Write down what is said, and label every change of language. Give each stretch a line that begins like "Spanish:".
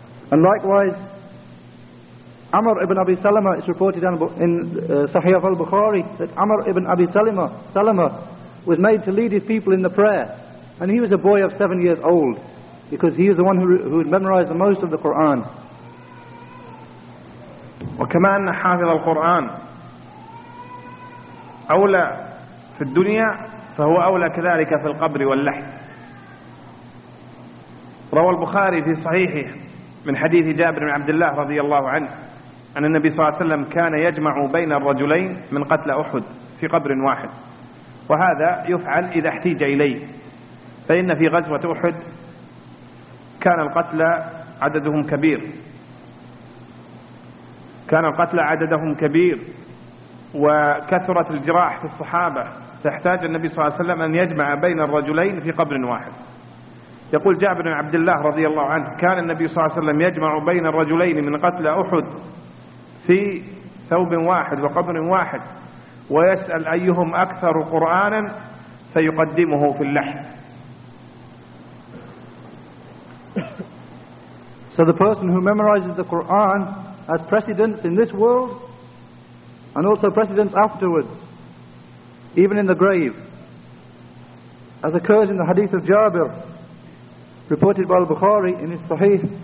English: And likewise, Amr ibn Abi Salama, is reported in Sahih al-Bukhari, that Amr ibn Abi Salama was made to lead his people in the prayer. And he was a boy of 7 years old, because he was the one who had memorized the most of the Qur'an.
Arabic: وكما أن حافظ القرآن أولى في الدنيا فهو أولى كذلك في القبر واللحد. روى البخاري في صحيحه من حديث جابر بن عبد الله رضي الله عنه أن النبي صلى الله عليه وسلم كان يجمع بين الرجلين من قتل أحد في قبر واحد, وهذا يفعل إذا احتيج إليه. فإن في غزوة أحد كان القتلى عددهم كبير, كان القتلى عددهم كبير, وكثرة الجراح في الصحابة تحتاج النبي صلى الله عليه وسلم أن يجمع بين الرجلين في قبر واحد. يقول جابر بن عبد الله رضي الله عنه كان النبي صلى الله عليه وسلم يجمع بين الرجلين من قتل أحد في ثوب واحد وقبر واحد ويسأل أيهم أكثر قرآنا فيقدمه في اللحم.
English: So the person who memorizes the Quran has precedence in this world and also precedence afterwards, even in the grave, as occurs in the hadith of Jabir reported by al-Bukhari in his Sahih.